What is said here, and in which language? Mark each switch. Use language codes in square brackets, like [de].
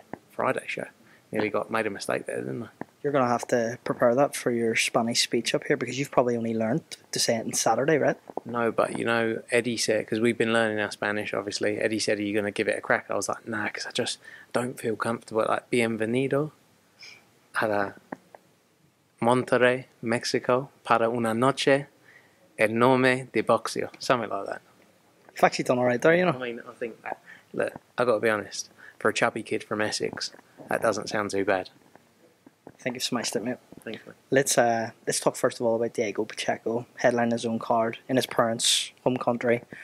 [en] Friday show. Nearly made a mistake there, didn't I? You're going to have to prepare that for your Spanish speech up here because you've probably only learned to say it on Saturday, right? No, but you know, Eddie said, because we've been learning our Spanish, obviously, Eddie said, are you going to give it a crack? I was like, nah, because I just don't feel comfortable. [es] Like, bienvenido a la Monterrey, Mexico, para una noche en nombre de boxeo. [en] Something like that. You've actually done all right there, you know? I mean, I think, look, I've got to be honest. For a chubby kid from Essex, that doesn't sound too bad. Thank you so much, mate. Thanks, mate. Let's talk first of all about Diego Pacheco, headlining his own card in his parents' home country.